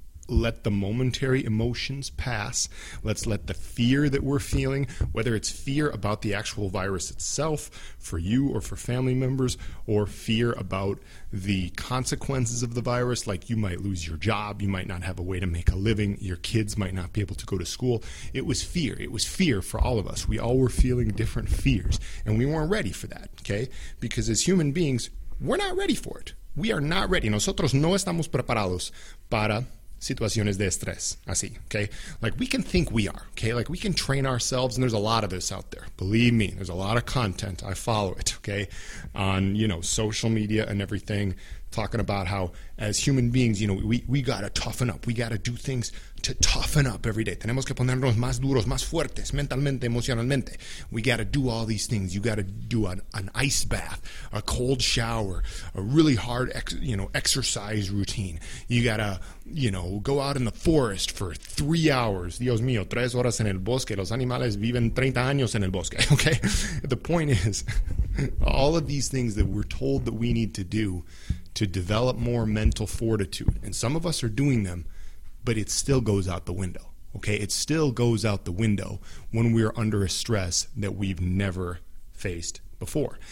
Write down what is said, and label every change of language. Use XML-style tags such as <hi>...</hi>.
<en>let the momentary emotions pass. Let's let the fear that we're feeling, whether it's fear about the actual virus itself for you or for family members, or fear about the consequences of the virus, like you might lose your job, you might not have a way to make a living, your kids might not be able to go to school. It was fear. It was fear for all of us. We all were feeling different fears, and we weren't ready for that, okay? Because as human beings, we're not ready for it. We are not ready.</en> <es>Nosotros no estamos preparados para situaciones de estrés.</es> <en>Así, okay? Like, we can think we are, okay? Like, we can train ourselves, and there's a lot of this out there. Believe me, there's a lot of content. I follow it, okay? On, you know, social media and everything, talking about how, as human beings, you know, we got to toughen up. We got to do things to toughen up every day.</en> <es>Tenemos que ponernos más duros, más fuertes, mentalmente, emocionalmente.</es> <en>We got to do all these things. You got to do an ice bath, a cold shower, a really hard, exercise routine. You got to, you know, go out in the forest for 3 hours.</en> <es>Dios mío, 3 horas en el bosque. Los animales viven 30 años en el bosque, okay?</es> <en>The point is, all of these things that we're told that we need to do to develop more mental fortitude, and some of us are doing them, but it still goes out the window, okay? It still goes out the window when we're under a stress that we've never faced before.</en>